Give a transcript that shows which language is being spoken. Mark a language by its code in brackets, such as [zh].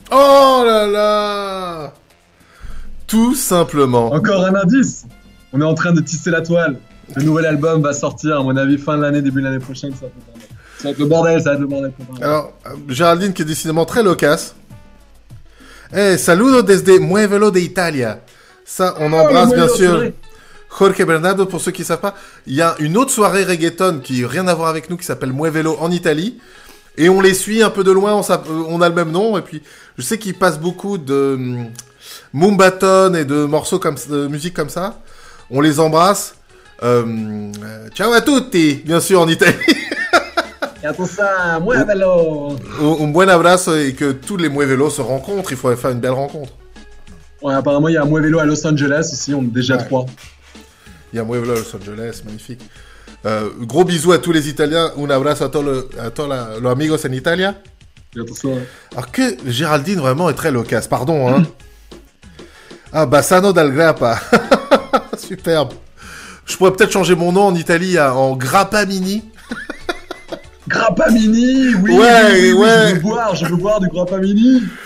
[fr] Oh là là ! Tout simplement. Encore un indice ! On est en train de tisser la toile. Le nouvel album va sortir, à mon avis, fin de l'année, début de l'année prochaine. Ça va être le bordel. Alors, Géraldine, qui est décidément très loquace. [es] Hey, saludo desde Muevelo de Italia. [fr] Ça, on embrasse, bien sûr, Jorge Bernardo. Pour ceux qui ne savent pas, il y a une autre soirée reggaeton qui n'a rien à voir avec nous, qui s'appelle Muevelo en Italie. Et on les suit un peu de loin, on a le même nom. Et puis, je sais qu'ils passent beaucoup de Mumbaton et de morceaux comme de musique comme ça. On les embrasse. [it] Ciao a tutti, [fr] bien sûr, en Italie. Et à tout ça, Muevelo. [es] Un buen abrazo [fr] et que tous les Muevelo se rencontrent. Il faudrait faire une belle rencontre. Ouais, apparemment, il y a un Muevelo à Los Angeles aussi. On est déjà trois. Il y a un Muevelo à Los Angeles, magnifique. Gros bisous à tous les Italiens. [es] Un abrazo a todos los amigos en Italia. [fr] Et à tout ça. Alors que Géraldine, vraiment, est très loquace. Pardon, hein. Ah, Bassano dal Grappa. Superbe. Je pourrais peut-être changer mon nom en Italie en Grappa Mini. Grappa Mini, oui. Ouais. Je veux boire du Grappa Mini.